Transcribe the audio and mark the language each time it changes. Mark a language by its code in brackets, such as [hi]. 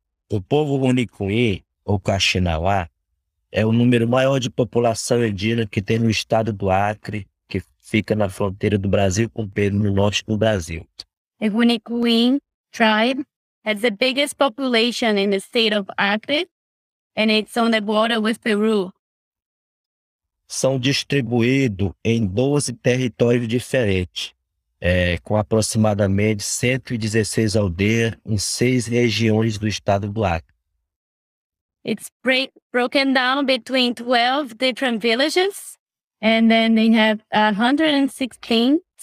[pt] O povo Unicuí, ou Kaxinawá, é o número maior de população indígena que tem no estado do Acre, que fica na fronteira do Brasil com Peru, no norte do Brasil. [en] The Huni Queen tribe has the biggest population in the state of Acre, and it's on the border with Peru. [pt] São distribuídos em 12 territórios diferentes, com aproximadamente 116 aldeias em 6 regiões do estado do Acre. [en] It's broken down between 12 different villages, and then they have 116.